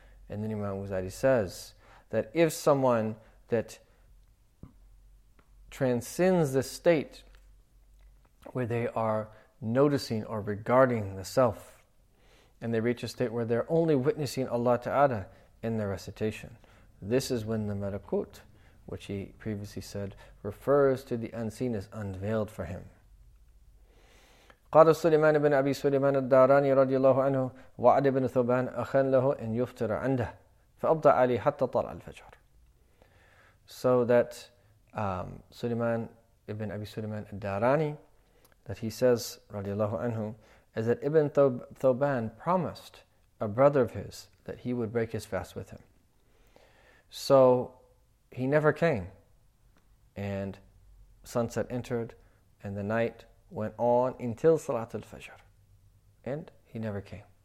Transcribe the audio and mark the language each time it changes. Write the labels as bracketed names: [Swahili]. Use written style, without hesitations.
[English] And then Imam Ghazali says that if someone that transcends the state where they are noticing or regarding the self, and they reach a state where they're only witnessing Allah Ta'ala in their recitation, this is when the malakut which he previously said, refers to the unseen as unveiled for him. [Arabic] قال سليمان بن أبي سليمان الداراني رضي الله عنه وعد بن ثوبان أخا له أن يفطر عنده فأبطع علي حتى طلع الفجر. [English] So that Sulaiman ibn Abi Sulaiman al-Darani, that he says, radiallahu anhu, is that Ibn Thoban promised a brother of his that he would break his fast with him. So he never came. And sunset entered, and the night went on until Salat al-Fajr. And he never came.